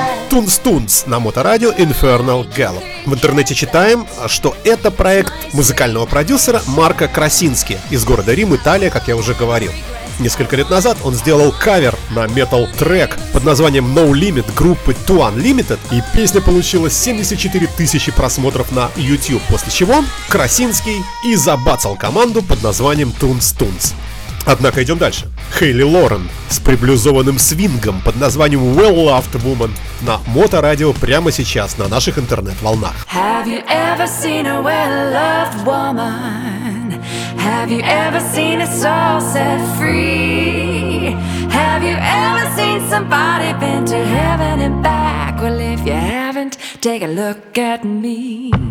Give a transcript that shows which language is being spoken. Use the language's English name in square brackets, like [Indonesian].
[Russian] TUNZ на Моторадио Infernal Galop. В интернете читаем, что это проект музыкального продюсера Марка Красински из города Рим, Италия, как я уже говорил. Несколько лет назад он сделал кавер на метал-трек под названием No Limit группы TUNZ Limited, и песня получила 74 тысячи просмотров на YouTube, после чего Красинский и забацал команду под названием TUNZ TUNZ. Однако идем дальше. Хейли Лорен с приблюзованным свингом под названием Well Loved Woman на Моторадио прямо сейчас на наших интернет-волнах. [English] Have you ever seen a well-loved woman? Have you ever seen a soul set free? Have you ever seen somebody been to heaven and back? Well, if you haven't, take a look at me.